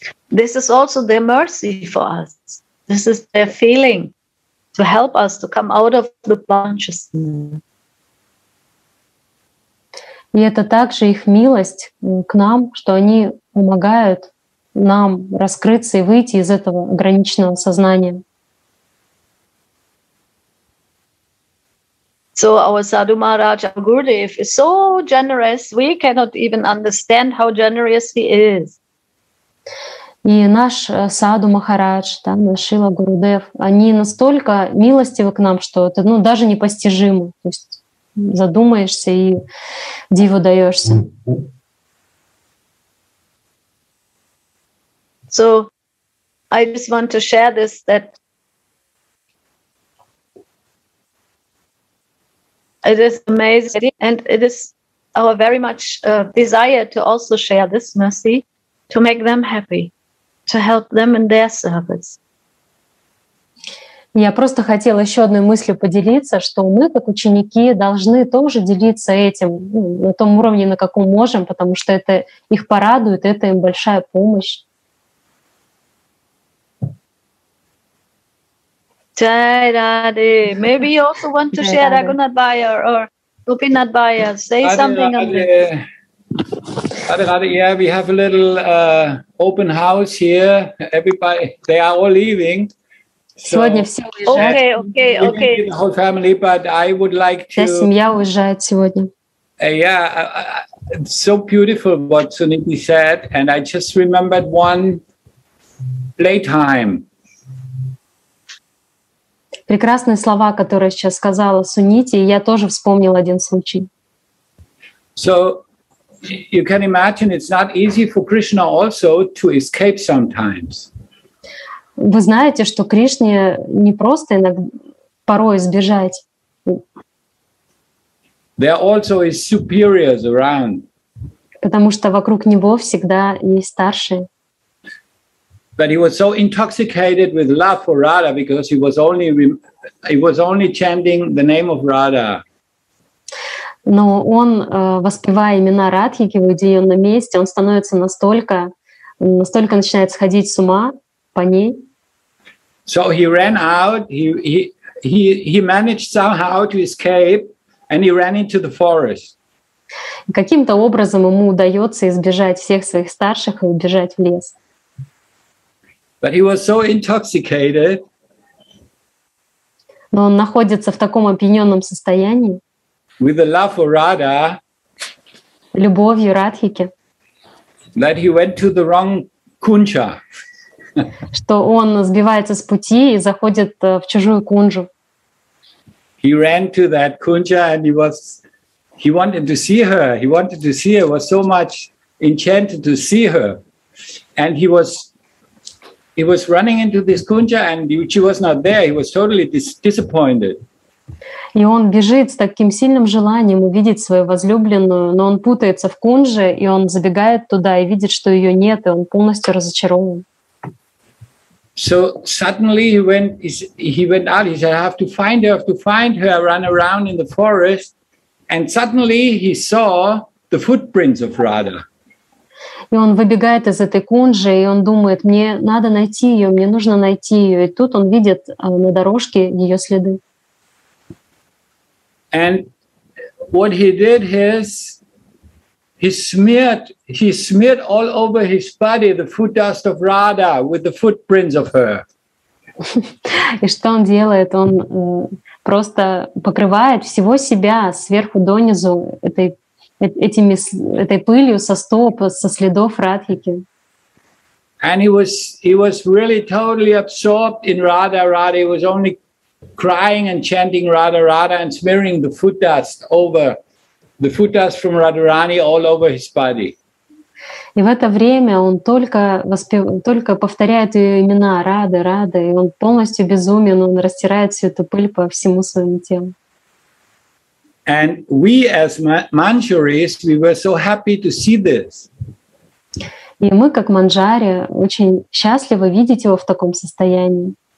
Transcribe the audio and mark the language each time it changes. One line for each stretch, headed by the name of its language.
English: This is also their mercy for us. This is their feeling to help us to come out of the consciousness.
Russian: И это также их милость к нам, что они помогают нам раскрыться и выйти из этого ограниченного сознания.
English: So our Sadhu Maharaj, our Gurudev, is so generous, we cannot even understand how generous he is.
Russian: И наш Саду Махарадж, да, наш Шила Гурудев, они настолько милостивы к нам, что это, ну, даже непостижимо. То есть задумаешься и диву даешься.
English: So I just want to share this, that it is amazing, and it is our very much desire to also share this mercy, to make them happy, to help them in their service.
Russian: Я просто хотела еще одной мыслью поделиться, что мы, как ученики, должны тоже делиться этим, ну, на том уровне, на каком можем, потому что это их порадует, это им большая помощь.
English: Jai Radhe. Maybe you also want to share Raghunath Bhaiya or Gopinath Bhaiya. Say something on this. Yeah, we have a little open house here. Everybody, they are all leaving.
Russian: So сегодня все уезжают.
English: Okay. The whole family, but I would like to.
Russian: Вся семья уезжает сегодня.
English: Yeah, it's so beautiful what Suniti said, and I just remembered one playtime.
Russian: Прекрасные слова, которые сейчас сказала Сунити, и я тоже вспомнил один случай.
English: So you can imagine it's not easy for Krishna also to escape sometimes.
Russian: Вы знаете, что Кришне не просто иногда порой сбежать.
English: There also is superiors around.
Russian: Потому что вокруг него всегда есть старшие.
English: But he was so intoxicated with love for Radha because he was only chanting the name of Radha.
Russian: Но он, воспевая имена Радхики, где он на месте, он становится настолько начинает сходить с ума по ней.
English: So he ran out, he managed somehow to escape, and he ran into the forest.
Russian: Каким-то образом ему удается избежать всех своих старших и убежать в лес.
English: But he was so intoxicated.
Russian: Но он находится в таком опьянённом состоянии.
English: With the love of Radha.
Russian: Любовью Радхики.
English: That he went to the wrong kuncha.
Russian: Что он сбивается с пути и заходит в чужую кунжу.
English: He ran to that kuncha and he wanted to see her. He wanted to see her. Was so much enchanted to see her. And he was running into this kuncha and she was not there. He was totally disappointed.
Russian: И он бежит с таким сильным желанием увидеть свою возлюбленную, но он путается в кунже, и он забегает туда и видит, что ее нет, и он полностью разочарован.
English: So suddenly he went out. He said, I have to find her. I ran around in the forest. And suddenly he saw the footprints of Radha.
Russian: И он выбегает из этой кунжи, и он думает, мне надо найти ее, мне нужно найти ее. И тут он видит на дорожке ее следы.
English: And what he did is, he smeared all over his body the foot dust of Radha with the footprints of her.
Russian: И что он делает? Он просто покрывает всего себя сверху донизу этой пылью со стоп, со следов Радхики.
English: And he was really totally absorbed in Radha Radha. He was only crying and chanting Radha Radha and smearing the foot dust from Radharani all over his body.
Russian: И в это время он только повторяет ее имена Радха Радха, и он полностью безумен, он растирает всю эту пыль по всему своему телу.
English: And we as Manjaris, we were so happy to see this.
Russian: И мы как манджари очень счастливы видеть его в таком состоянии.